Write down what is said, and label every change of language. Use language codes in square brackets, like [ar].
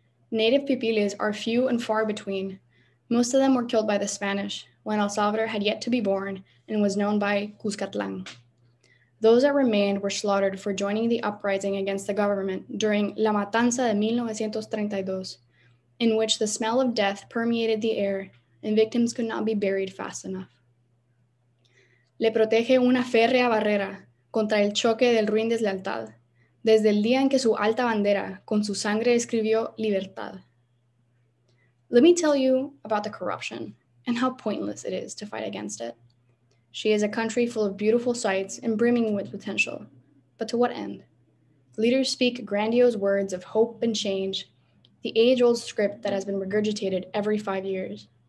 [en] Native pipiles are few and far between. Most of them were killed by the Spanish when El Salvador had yet to be born and was known by Cuscatlán. Those that remained were slaughtered for joining the uprising against the government during La Matanza de 1932, in which the smell of death permeated the air and victims could not be buried fast enough. [es] Le protege una férrea barrera contra el choque del ruin deslealtad, desde el día en que su alta bandera con su sangre escribió libertad. [en] Let me tell you about the corruption and how pointless it is to fight against it. She is a country full of beautiful sights and brimming with potential. But to what end? Leaders speak grandiose words of hope and change, the age-old script that has been regurgitated every 5 years.